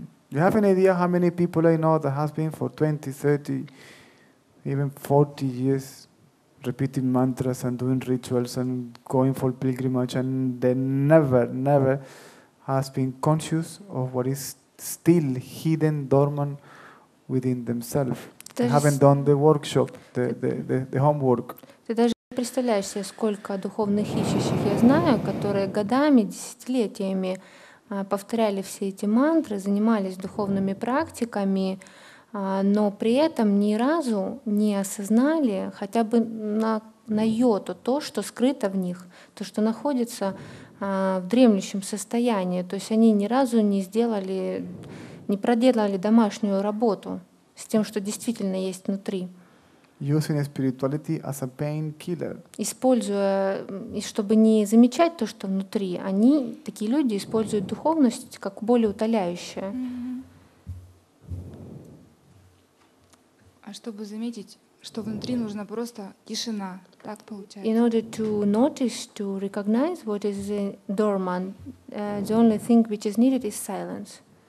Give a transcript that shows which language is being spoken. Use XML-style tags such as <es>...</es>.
<en>You have an idea how many people I know that has been for 20, 30, even 40 years repeating mantras and doing rituals and going for pilgrimage and they never, never has been conscious of what is still hidden, dormant within themselves. They haven't done the workshop, the homework.</en> <ru>Представляешь себе, сколько духовных ищущих я знаю, которые годами, десятилетиями повторяли все эти мантры, занимались духовными практиками, но при этом ни разу не осознали хотя бы на йоту то, что скрыто в них, то, что находится в дремлющем состоянии. То есть они ни разу не сделали, не проделали домашнюю работу с тем, что действительно есть внутри.</ru> <en>Using spirituality as a pain killer.</en> <ru>Используя, и чтобы не замечать то, что внутри, они, такие люди, используют духовность как болеутоляющее. А чтобы заметить, что внутри нужна просто тишина, так получается.</ru> <en>In order to notice, to recognize what is dormant, the only thing which is needed is silence.</en>